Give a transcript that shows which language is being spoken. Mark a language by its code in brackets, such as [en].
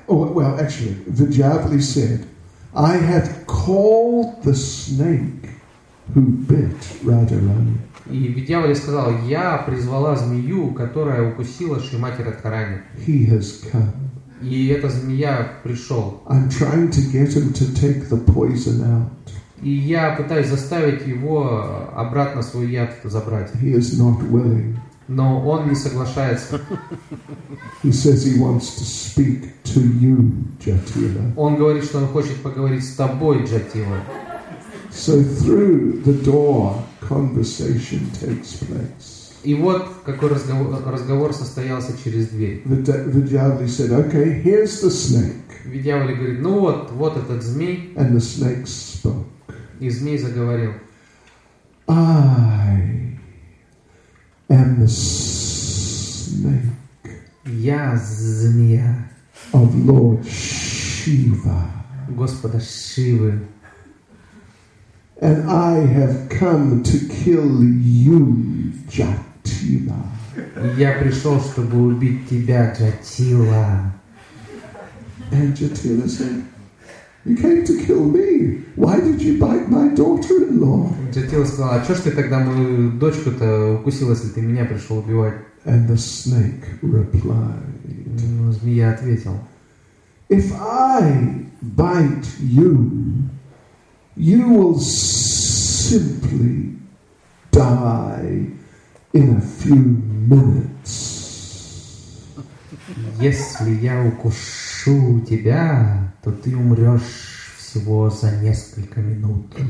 [en] Vidyavali said, "I had called the snake who bit Radharani." [ru] И Видьявали сказал: "Я призвала змею, которая укусила Шримати Радхарани." [en] He has come. [ru] И эта змея пришел. [en] I'm trying to get him to take the poison out. [ru] И я пытаюсь заставить его обратно свой яд забрать. [en] He is not willing. [ru] Но он не соглашается. [en] He says he wants to speak to you, Jatila. [ru] Он говорит, что он хочет поговорить с тобой, Джатила. [en] So through the door, conversation takes place. [ru] И вот какой разговор состоялся через дверь. [en] Vidyavali said, "Okay, here's the snake." [ru] Vidyavali говорит: "Ну вот, вот этот змей." [en] And the snake spoke. [ru] И змей заговорил: [en] "I am the snake." [ru] Я змея. [en] Of Lord Shiva. [ru] Господа Шивы. [en] And I have come to kill you, Jatila. [ru] Я пришел, чтобы убить тебя, Джатила. [en] And Jatila said, "You came to kill me. Why did you bite my daughter-in-law?" [ru] Джатила сказала: "А что ж ты тогда мою дочку-то укусил, если ты меня пришел убивать?" [en] And the snake replied. [ru] Ну, змея ответил: [en] "If I bite you, you will simply die in a few minutes." [ru] Если я укушу тебя, то ты умрешь всего за несколько минут.